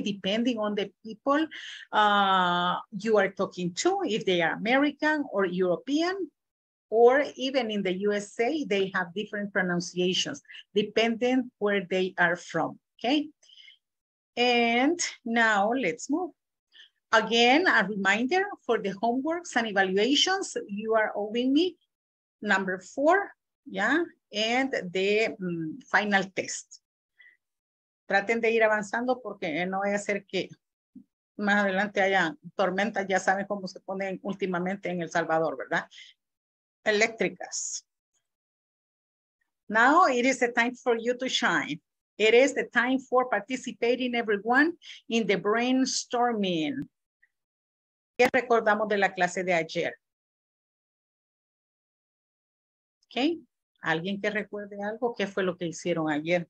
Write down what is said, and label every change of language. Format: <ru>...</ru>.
<en>Depending on the people you are talking to, if they are American or European, or even in the USA, they have different pronunciations, depending where they are from, okay? And now let's move. Again, a reminder for the homeworks and evaluations, you are owing me number 4, yeah? And the final test.</en> <es>Traten de ir avanzando porque no vaya a ser que más adelante haya tormentas, ya saben cómo se ponen últimamente en El Salvador, ¿verdad? Eléctricas.</es> <en>Now it is the time for you to shine. It is the time for participating everyone in the brainstorming.</en> <es>¿Qué recordamos de la clase de ayer? Okay. ¿Alguien que recuerde algo? ¿Qué fue lo que hicieron ayer?</es>